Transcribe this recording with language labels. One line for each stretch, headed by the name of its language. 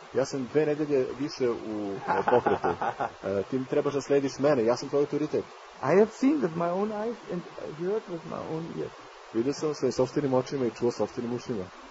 Serbian: Ja sam 2 nedelje više u pokretu. Ti trebaš da slediš mene, ja sam tvoj autoritet.
English: I have seen with my own eyes and heard with my own ears.
Serbian: Vidio sam svojim sopstvenim očima i čuo sopstvenim ušima.